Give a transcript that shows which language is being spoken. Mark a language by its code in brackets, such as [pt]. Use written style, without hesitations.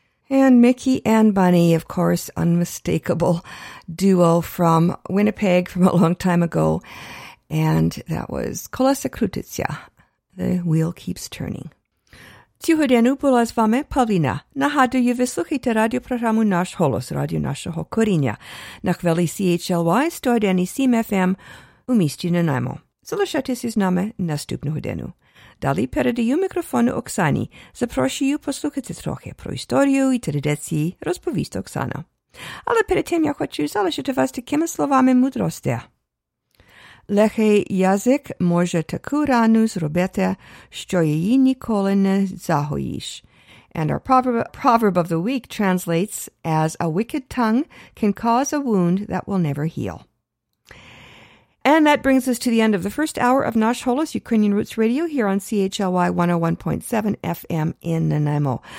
[en] And Mickey and Bunny, of course, unmistakable duo from Winnipeg from a long time ago. And that was Kolesa Krutitsya, The Wheel Keeps Turning. [uk] Цього дня була з вами Павліна. Нагадую, ви слухаєте радіопрограму «Наш голос», радіо нашого коріння. На хвилі CHLY 101.7 FM у місті Нанаймо. Залишайтеся з нами наступного дня. Далі передаю мікрофон Оксані. Запрошую послухати трохи про історію і традиції, розповість Оксана. Але перед тим я хочу залишити вас такими словами мудрості. Лехий язик може таку рану зробити, що її ніколи не загоїш. [en] And our proverb of the week translates as a wicked tongue can cause a wound that will never heal. And that brings us to the end of the first hour of Nash Holos, Ukrainian Roots Radio, here on CHLY 101.7 FM in Nanaimo.